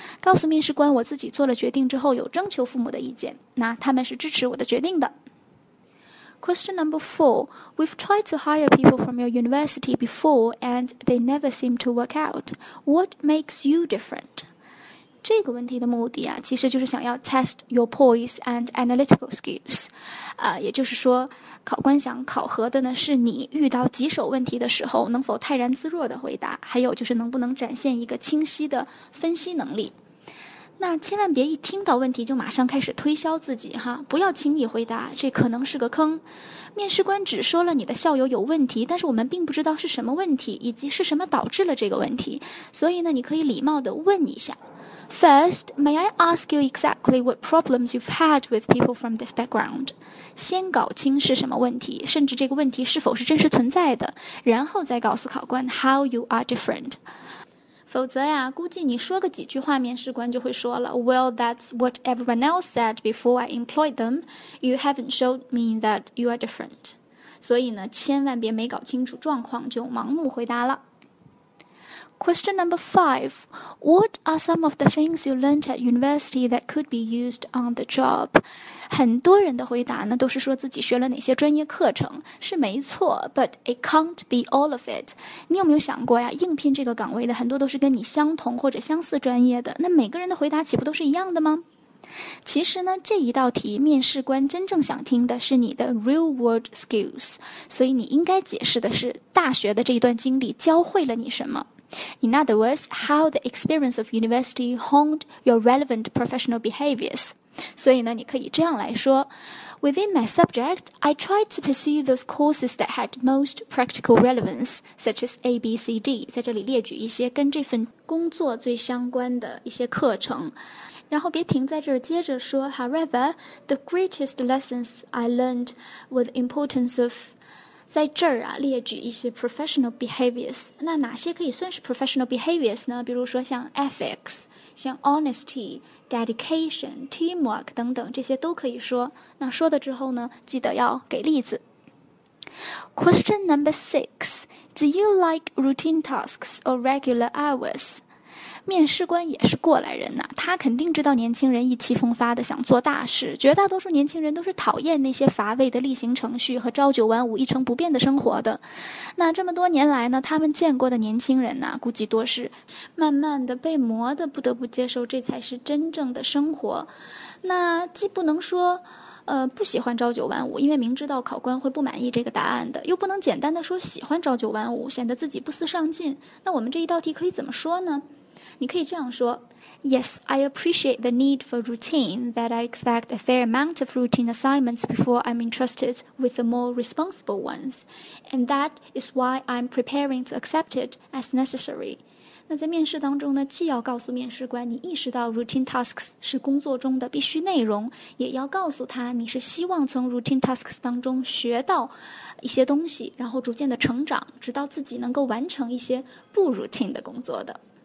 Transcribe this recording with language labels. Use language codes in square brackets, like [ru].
[zh] 告诉面试官我自己做了决定之后有征求父母的意见，那他们是支持我的决定的。 [en] Question number four. We've tried to hire people from your university before, and they never seem to work out. What makes you different? [zh] 这个问题的目的啊，其实就是想要 [en] test your poise and analytical skills. [zh] 也就是说，考官想考核的呢，是你遇到棘手问题的时候能否泰然自若的回答，还有就是能不能展现一个清晰的分析能力。那千万别一听到问题就马上开始推销自己哈，不要轻易回答，这可能是个坑。面试官只说了你的校友有问题，但是我们并不知道是什么问题，以及是什么导致了这个问题。所以呢，你可以礼貌地问一下。 [en] First, may I ask you exactly what problems you've had with people from this background? [zh] 先搞清是什么问题，甚至这个问题是否是真实存在的，然后再告诉考官 [en] how you are different. [zh] 否则呀，估计你说个几句话，面试官就会说了 [en] Well, that's what everyone else said before I employed them. You haven't showed me that you are different. [zh] 所以呢，千万别没搞清楚状况就盲目回答了。 [en] Question number 5. What are some of the things you learned at university that could be used on the job? [zh] 很多人的回答呢都是说自己学了哪些专业课程，是没错， [en] but it can't be all of it. [zh] 你有没有想过呀，应聘这个岗位的很多都是跟你相同或者相似专业的，那每个人的回答岂不都是一样的吗？其实呢，这一道题面试官真正想听的是你的 [en] real world skills， [zh] 所以你应该解释的是大学的这一段经历教会了你什么。 [en] In other words, how the experience of university honed your relevant professional behaviors. [zh] 所以呢，你可以这样来说 [en] ：Within my subject, I tried to pursue those courses that had most practical relevance, such as A, B, C, D. [zh] 在这里列举一些跟这份工作最相关的一些课程。然后别停在这儿，接着说。 [en] However, the greatest lessons I learned were the importance of [zh] 在这儿啊，列举一些 [en] professional behaviors。 [zh] 那哪些可以算是 professional behaviors 呢？比如说像 ethics， 像 honesty、dedication、teamwork 等等，这些都可以说。那说的之后呢，记得要给例子。 [en] Question number 6. Do you like routine tasks or regular hours? [zh] 面试官也是过来人呐，他肯定知道年轻人意气风发的想做大事，绝大多数年轻人都是讨厌那些乏味的例行程序和朝九晚五一成不变的生活的。那这么多年来呢，他们见过的年轻人呢，估计多是慢慢的被磨的，不得不接受这才是真正的生活。那既不能说不喜欢朝九晚五，因为明知道考官会不满意这个答案的，又不能简单的说喜欢朝九晚五，显得自己不思上进。那我们这一道题可以怎么说呢？你可以这样说 [en] ，Yes, I appreciate the need for routine, that I expect a fair amount of routine assignments before I'm entrusted with the more responsible ones, and that is why I'm preparing to accept it as necessary. [zh] 那在面试当中呢，既要告诉面试官你意识到 routine tasks 是工作中的必须内容，也要告诉他你是希望从 routine tasks 当中学到一些东西，然后逐渐的成长，直到自己能够完成一些不 routine 的工作的。